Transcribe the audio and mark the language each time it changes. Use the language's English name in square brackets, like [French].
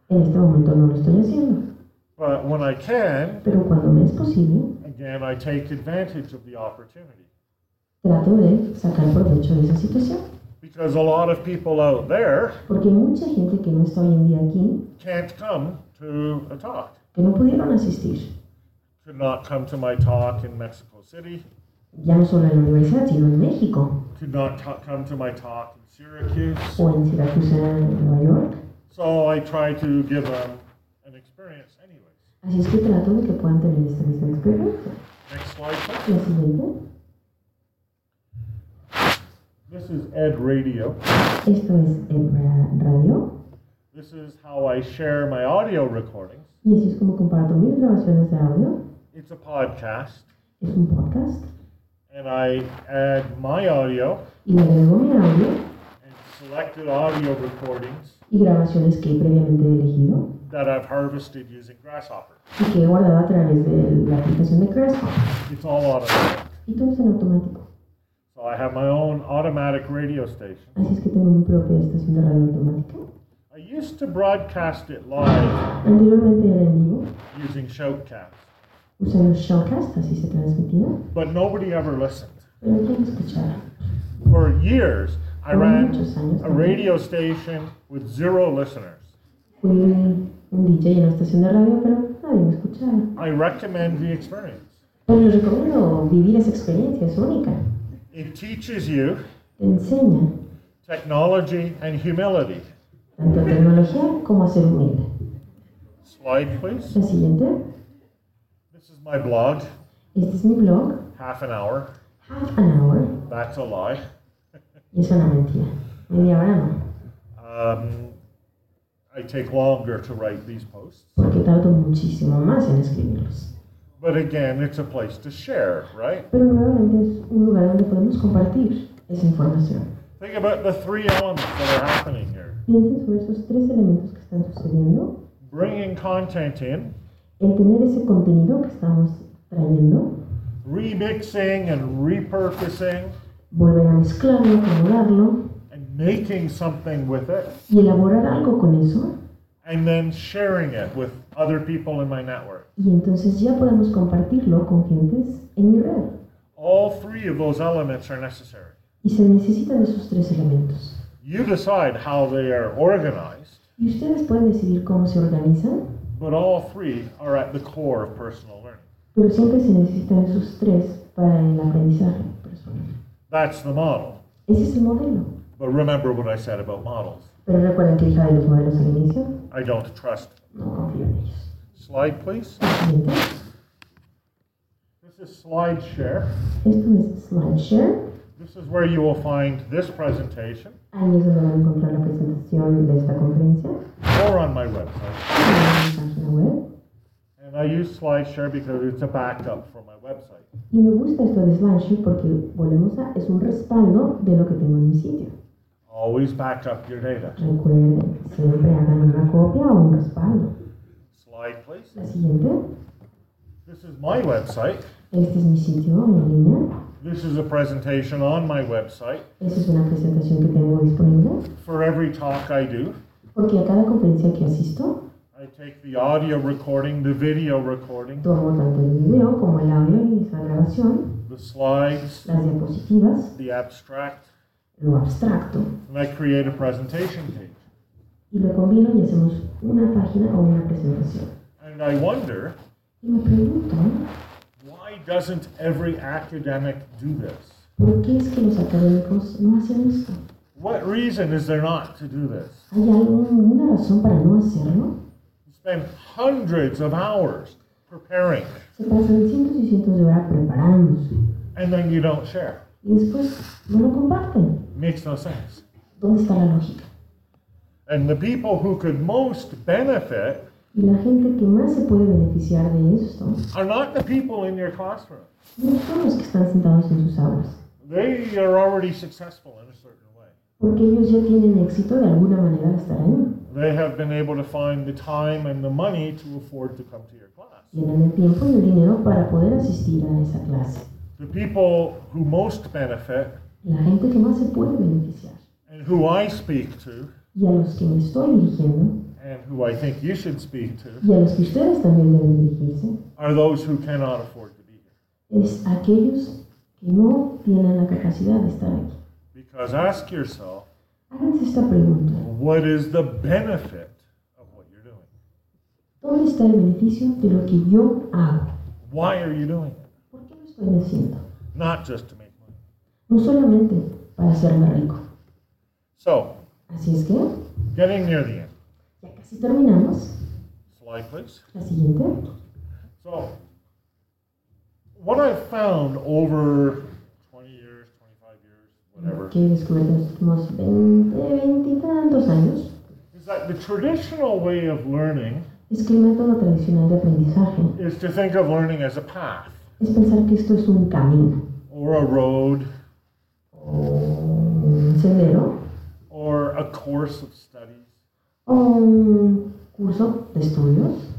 [Spanish] En este momento no lo estoy haciendo. [English] But when I can, [Spanish] pero cuando me es posible, [English] again, I take advantage of the opportunity. [Spanish] Trato de sacar provecho de esa situación. [English] Because a lot of people out there, [Spanish] porque mucha gente que no está hoy en día aquí, [English] can't come to a talk. [Spanish] Que no pudieron asistir. [English] Could not come to my talk in Mexico City. [Spanish] Ya no solo en la universidad, sino en México. [English] Could not come to my talk in Syracuse. [Spanish] O en Syracuse, en Nueva York. [English] So I try to give them an experience anyway. [Spanish] Así es que trato de que puedan tener esta misma experiencia. [English] Next slide, please. [Spanish] La siguiente. [English] This is Ed Radio. [Spanish] Esto es Ed Radio. [English] This is how I share my audio recordings. [Spanish] Y así es como comparto mis grabaciones de audio. [English] It's a podcast. [Spanish] Es un podcast. [English] And I add my audio. [Spanish] Y le agrego mi audio. [English] And selected audio recordings. [Spanish] Y grabaciones que he previamente elegido. [English] That I've harvested using Grasshopper. [Spanish] Y que he guardado a través de la aplicación de Grasshopper. [English] It's all automatic. [Spanish] Y todo es en automático. [English] So I have my own automatic radio station. [Spanish] Así es que tengo mi propia estación de radio automática. [English] I used to broadcast it live. [Spanish] Anteriormente era en vivo. [English] Using Shoutcast. [Spanish] Usando Shoutcast, así se transmitía. [English] But nobody ever listened. [Spanish] Pero nadie escuchaba. [English] For years, I ran a radio station with zero listeners. [Spanish] Fui un DJ en una estación de radio, pero nadie me escuchaba. [English] I recommend the experience. [Spanish] Pero les recomiendo vivir esa experiencia, es única. [English] It teaches you [Spanish] enseña [English] technology and humility. [Spanish] Tanto tecnología como a ser humilde. [English] Slide, please. [Spanish] La siguiente. [English] This is my blog. [Spanish] Este es mi blog. [English] Half an hour. Half an hour. That's a lie. [Spanish] Y es una mentira. Media hora no. [English] I take longer to write these posts. [Spanish] Porque tardo muchísimo más en escribirlos. [English] But again, it's a place to share, right? [Spanish] Pero nuevamente es un lugar donde podemos compartir esa información. [English] Think about the three elements that are happening here. [Spanish] Piensen sobre esos tres elementos que están sucediendo. [English] Bringing content in. [Spanish] El tener ese contenido que estamos trayendo. [English] Remixing and repurposing. [Spanish] Volver a mezclarlo, acomodarlo. [English] And making something with it. [Spanish] Y elaborar algo con eso. [English] And then sharing it with other people in my network. [Spanish] Y entonces ya podemos compartirlo con gentes en mi red. [English] All three of those elements are necessary. [Spanish] Y se necesitan esos tres elementos. [English] You decide how they are organized. [Spanish] Y ustedes pueden decidir cómo se organizan. [English] But all three are at the core of personal learning. [Spanish] Pero siempre se necesitan esos tres para el aprendizaje personal. [English] That's the model. [Spanish] Ese es el modelo. [English] But remember what I said about models. [Spanish] ¿Pero recuerdan que dije de los modelos al inicio? [English] I don't trust. [Spanish] No confío en ellos. [English] Slide, please. This is SlideShare. [Spanish] Esto es SlideShare. [English] This is where you will find this presentation. [Spanish] Ahí es donde van a encontrar la presentación de esta conferencia. [English] Or on my website. And I use SlideShare because it's a backup for my website. [Spanish] Y me gusta esto de SlideShare porque, volvemos a, es un respaldo de lo que tengo en mi sitio. [English] Always back up your data. [Spanish] Recuerden, siempre hagan una copia o un respaldo. [English] Slide, please. [Spanish] La siguiente. [English] This is my website. [Spanish] Este es mi sitio en línea. [English] This is a presentation on my website. [Spanish] Esta es una presentación que tengo disponible. [English] For every talk I do. [Spanish] Porque a cada conferencia que asisto. [English] I take the audio recording, the video recording. [Spanish] Tomo tanto el video como el audio y la grabación. [English] The slides. [Spanish] Las diapositivas. [English] The abstract. [Spanish] Lo abstracto. [English] And I create a presentation page. [Spanish] Y lo combino y hacemos una página o una presentación. [English] And I wonder, [Spanish] y me pregunto, [English] why doesn't every academic do this? [Spanish] ¿Por qué es que los académicos no hacen esto? [English] What reason is there not to do this? [Spanish] ¿Hay alguna razón para no hacerlo? [English] You spend hundreds of hours preparing. [Spanish] Se pasan cientos y cientos de horas preparándose. [English] And then you don't share. [Spanish] Y después no lo comparten. [English] Makes no sense. [Spanish] ¿Dónde está la lógica? [English] And the people who could most benefit, [Spanish] y la gente que más se puede beneficiar de esto, [English] are not the people in your classroom. [Spanish] No son los que están sentados en sus aulas. [English] They are already successful in a certain way. [Spanish] Porque ellos ya tienen éxito de alguna manera de estar ahí. [English] They have been able to find the time and the money to afford to come to your class. [Spanish] Tienen el tiempo y el dinero para poder asistir a esa clase. [English] The people who most benefit, [Spanish] la gente que más se puede beneficiar, [English] and who I speak to, [Spanish] y a los que me estoy dirigiendo, [English] and who I think you should speak to, [Spanish] y a los que ustedes también deben dirigirse, [English] are those who cannot afford to be here. [Spanish] Es aquellos que no tienen la capacidad de estar aquí. [English] Because ask yourself, [Spanish] háganse esta pregunta, [English] what is the benefit of what you're doing? [Spanish] ¿Dónde está el beneficio de lo que yo hago? [English] Why are you doing it? Not just to make money. [Spanish] No solamente para hacerme rico. [English] So, [Spanish] así es que, [English] getting near the end. [Spanish] Ya casi terminamos. [English] Slide, please. [Spanish] La siguiente. [English] So, what I've found over 20 years. years, 25 years, whatever. [Spanish] Que descubrí en los últimos 20 y tantos años. [English] Is that the traditional way of learning? [Spanish] Es que el método tradicional de aprendizaje. [English] Is to think of learning as a path. [Spanish] Es pensar que esto es un camino. [English] Or a road. [Spanish] Un sendero. [English] Or a course of studies. [Spanish] O un curso de estudios.